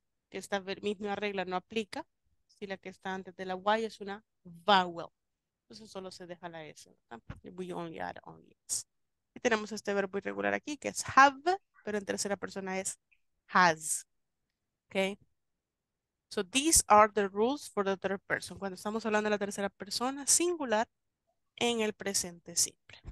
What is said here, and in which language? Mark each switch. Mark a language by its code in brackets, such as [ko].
[es] Que esta misma regla no aplica si la que está antes de la Y es una vowel. Entonces solo se deja la S. ¿No? [en] We only add only S. [es] Y tenemos este verbo irregular aquí, que es have, pero en tercera persona es has. [en] Okay. So these are the rules for the third person. [es] Cuando estamos hablando de la tercera persona, singular, en el presente simple.